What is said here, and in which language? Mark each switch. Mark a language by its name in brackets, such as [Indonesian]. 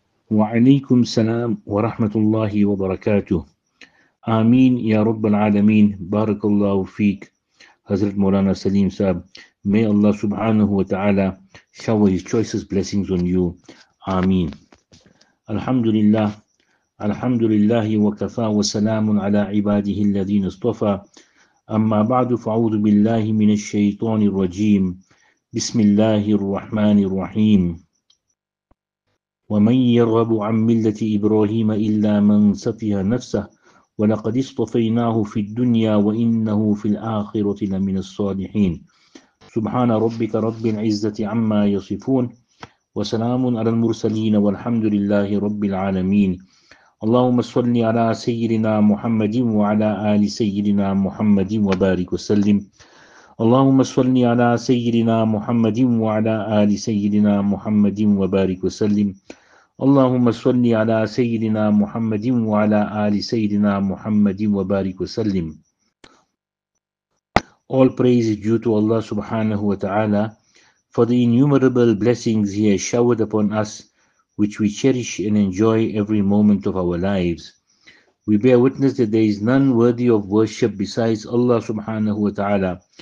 [Arabic] وعليكم السلام ورحمة الله وبركاته. آمين يا رب العالمين. بارك الله فيك حضرت مولانا سليم صاحب. [English] May Allah subhanahu wa ta'ala shower His choicest blessings on you. [Arabic] Ameen. Alhamdulillah. Alhamdulillah wa kafa wa salamun ala ibadihi alladhin istafa. Amma ba'du fa'udhu billahi min ash-shaytanir rajim. Bismillahir Rahmanir Rahim. Wa man yarghabu an millati Ibrahim illa man safiha nafsah. Wa laqad istafaynahu fid dunya wa innahu fil akhirati lamin as-salihin. سبحان ربك رب العزة عما يصفون وسلام على المرسلين والحمد لله رب العالمين اللهم صل على سيدنا محمد وعلى آل سيدنا محمد وبارك وسلم اللهم صل على سيدنا محمد وعلى آل سيدنا محمد وبارك وسلم اللهم صل على سيدنا محمد وعلى آل سيدنا محمد وبارك وسلم. [English] All praise is due to Allah subhanahu wa ta'ala for the innumerable blessings He has showered upon us, which we cherish and enjoy every moment of our lives. We bear witness that there is none worthy of worship besides Allah subhanahu wa ta'ala.